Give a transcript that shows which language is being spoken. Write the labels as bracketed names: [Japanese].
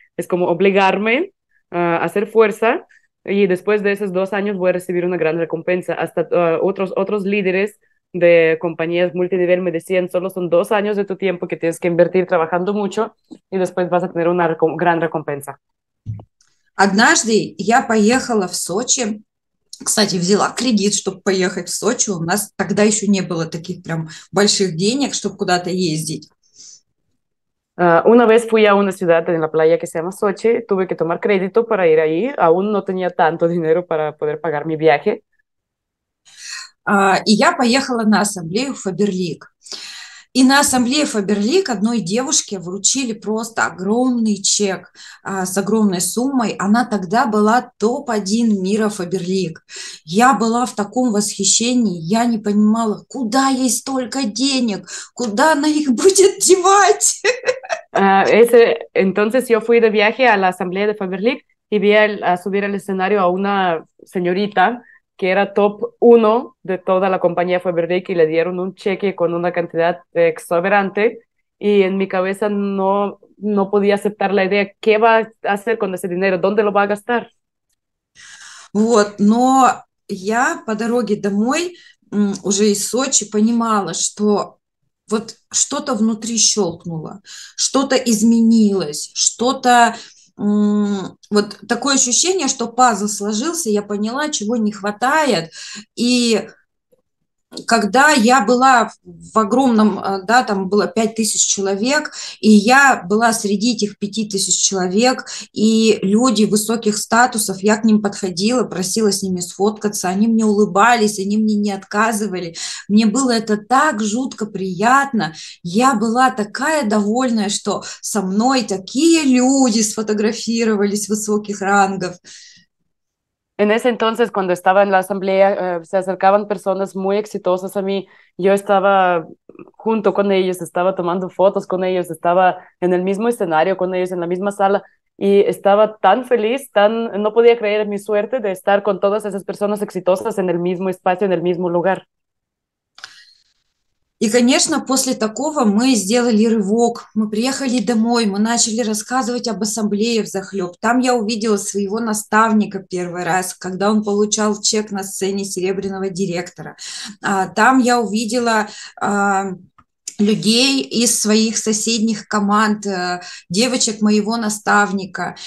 [Spanish] Es como obligarme a hacer fuerza y después de esos 2 años voy a recibir una gran recompensa. Hasta otros líderes de compañías multinivel me decían, solo son 2 años de tu tiempo que tienes que invertir trabajando mucho y después vas a tener una gran recompensa. [Russian] Однажды я поехала в Сочи. Кстати, взяла кредит, чтобы поехать в Сочи. У нас тогда еще не было таких прям больших денег, чтобы куда-то ездить. [Spanish] Una vez fui a una ciudad en la playa que se llama Sochi, tuve que tomar crédito para ir ahí, aún no tenía tanto dinero para poder pagar mi viaje. [Russian] Y я поехала на ассамблею Фаберлик. И на ассамблее Фаберлик одной девушке вручили просто огромный чек с огромной суммой. Она тогда была топ-1 мира Фаберлик. Я была в таком восхищении, я не понимала, куда ей столько денег, куда она их будет девать. [Spanish] Entonces yo fui de viaje a la asamblea de Faberlic y vi a subir al escenario a una señorita que era top 1 de toda la compañía Faberlic y le dieron un cheque con una cantidad exorbitante. Y en mi cabeza no podía aceptar la idea, ¿qué va a hacer con ese dinero? ¿Dónde lo va a gastar? [Russian] Вот, но я по дороге домой уже из Сочи понимала, что вот что-то внутри щелкнуло, что-то изменилось, что-то вот такое ощущение, что пазл сложился, я поняла, чего не хватает. И когда я была в огромном, да, там было 5000 человек, и я была среди этих 5000 человек, и люди высоких статусов, я к ним подходила, просила с ними сфоткаться, они мне улыбались, они мне не отказывали, мне было это так жутко приятно, я была такая довольная, что со мной такие люди сфотографировались высоких рангов. [Spanish] En ese entonces, cuando estaba en la asamblea, se acercaban personas muy exitosas a mí. Yo estaba junto con ellos, estaba tomando fotos con ellos, estaba en el mismo escenario con ellos, en la misma sala, y estaba tan feliz, no podía creer en mi suerte de estar con todas esas personas exitosas en el mismo espacio, en el mismo lugar. [Russian] И, конечно, после такого мы сделали рывок. Мы приехали домой, мы начали рассказывать об ассамблее взахлеб. Там я увидела своего наставника первый раз, когда он получал чек на сцене серебряного директора. Там я увидела людей из своих соседних команд, девочек моего наставника.